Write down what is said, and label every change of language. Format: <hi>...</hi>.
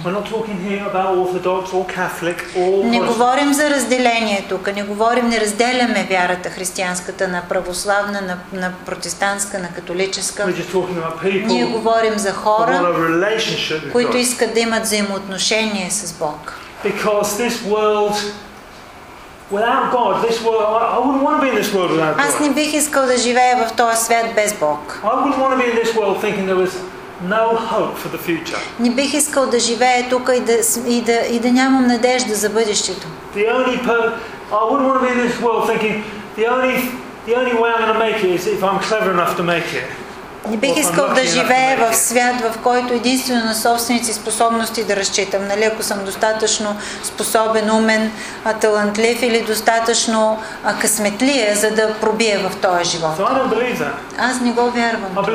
<en>We're not talking here about Orthodox or Catholic or.</en> <bg>Не говорим за разделение тук, не говорим, не разделяме вярата християнската на православна, на протестантска, на католическа.</bg> <en>We're just talking about people.</en> <bg>Ние говорим за хора,</bg> <en>but a relationship with</en> <bg>които искат да имат взаимоотношение с Бог.</bg> <en>Because this world without God, this world, I wouldn't want to be in this world without God.</en> <bg>Аз не бих искал да живея в този свят без Бог.</bg> <en>I wouldn't want to be in this world thinking there was no hope for the future.</en> <bg>Не бих искал да живея тук и да нямам надежда за бъдещето.</bg> <en>I wouldn't want to be in this world thinking the only way I'm going to make it is if I'm clever enough to make it.</en> <bg>Не бих искал да живея в свят, в който единствено на собствените способности да разчитам, нали, ако съм достатъчно способен, умен, талантлив или достатъчно късметлия, за да пробия в този живот. Аз не го вярвам.</bg>